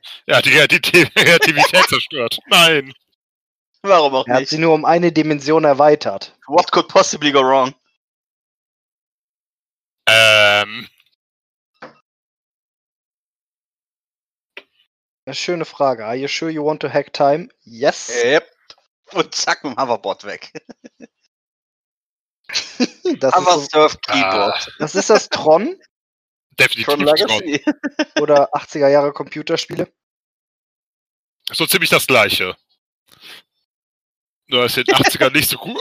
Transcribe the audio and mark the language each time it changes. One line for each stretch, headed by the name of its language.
German: Er hat die Kreativität zerstört. Nein. Warum auch nicht? Er hat sie nur um eine Dimension erweitert.
English: What could possibly go wrong?
German: Eine schöne Frage.
English: Are you sure you want to hack time? Yes. Yep.
German: Und zack, mit dem Hoverboard weg. Das Hover ist Surf Keyboard. Das ist das Tron? Definitiv Tron. Oder 80er Jahre Computerspiele? So ziemlich das Gleiche. Nur ist in den 80ern nicht so gut.